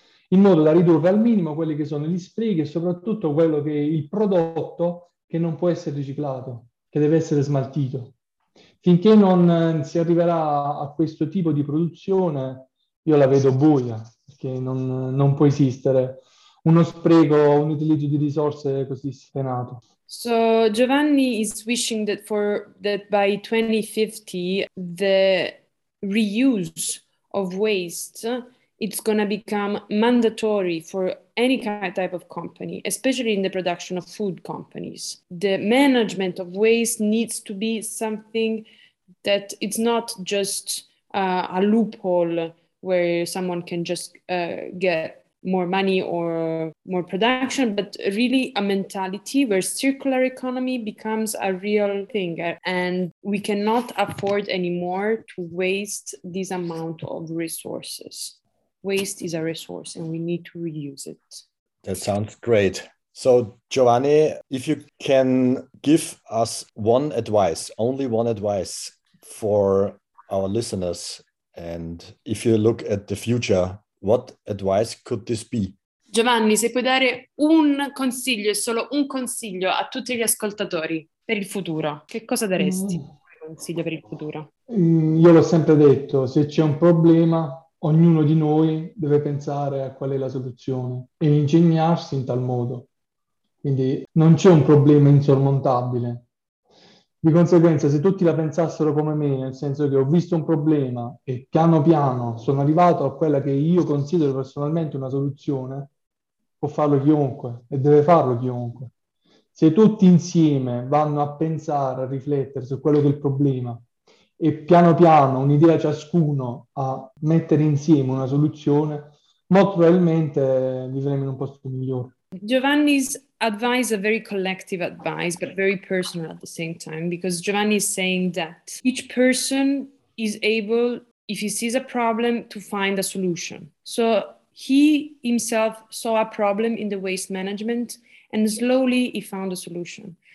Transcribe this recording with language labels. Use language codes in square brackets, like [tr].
[it] in modo da ridurre al minimo quelli che sono gli sprechi e soprattutto quello che è il prodotto che non può essere riciclato, che deve essere smaltito. Finché non si arriverà a questo tipo di produzione, io la vedo buia, perché non può esistere uno spreco, un utilizzo di risorse così sfrenato. [en] So Giovanni is wishing that for that by 2050 the reuse of waste it's going to become mandatory for any type of company, especially in the production of food companies. The management of waste needs to be something that it's not just a loophole where someone can just get more money or more production, but really a mentality where circular economy becomes a real thing. And we cannot afford anymore to waste this amount of resources. Waste is a resource and we need to reuse it. That sounds great. So Giovanni, if you can give us one advice, only one advice for our listeners, and if you look at the future, what advice could this be? [it] Giovanni, se puoi dare un consiglio, solo un consiglio a tutti gli ascoltatori per il futuro, che cosa daresti? Consiglio per il futuro? Io l'ho sempre detto, se c'è un problema, ognuno di noi deve pensare a qual è la soluzione e ingegnarsi in tal modo. Quindi non c'è un problema insormontabile. Di conseguenza, se tutti la pensassero come me, nel senso che ho visto un problema e piano piano sono arrivato a quella che io considero personalmente una soluzione, può farlo chiunque e deve farlo chiunque. Se tutti insieme vanno a pensare, a riflettere su quello che è il problema, e piano piano un'idea ciascuno a mettere insieme una soluzione, molto probabilmente vivremo in un posto migliore. [en] Giovanni's advice, a very collective advice, but very personal at the same time, because Giovanni is saying that each person is able, if he sees a problem, to find a solution. So he himself saw a problem in the waste management and slowly he found a solution.